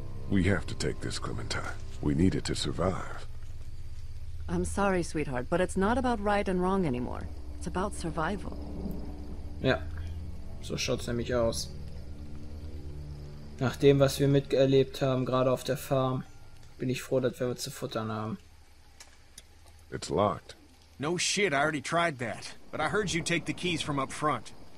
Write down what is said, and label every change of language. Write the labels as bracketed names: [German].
[English] We have to take this, Clementine. We need it to survive. I'm sorry, sweetheart, but it's not about right and wrong anymore. It's about survival. [German] Ja, so schaut's nämlich aus. Nach dem, was wir miterlebt haben, gerade auf der Farm, bin ich froh, dass wir was zu futtern haben. [English] It's locked. No shit, I already tried that. But I heard you take the keys from up front.